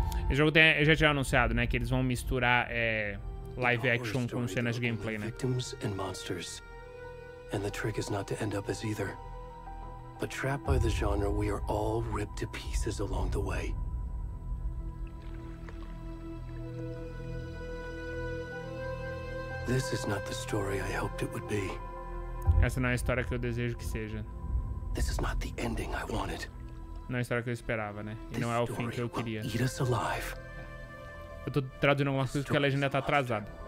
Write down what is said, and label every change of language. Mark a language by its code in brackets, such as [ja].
[pt] O jogo tem, já tinha anunciado, né, que eles vão misturar live action com cenas de gameplay, né? [en] Victims and monsters. And the trick is not to end up as either. But trapped by the genre, we are all ripped to pieces along the way. This is not the story I hoped it would be. [pt] Essa não é a história que eu desejo que seja. [en] This is not the ending I wanted. [pt] Não é a história que eu esperava, né? E não é o fim que eu queria. Eu tô traduzindo algumas coisas porque a legenda tá atrasada.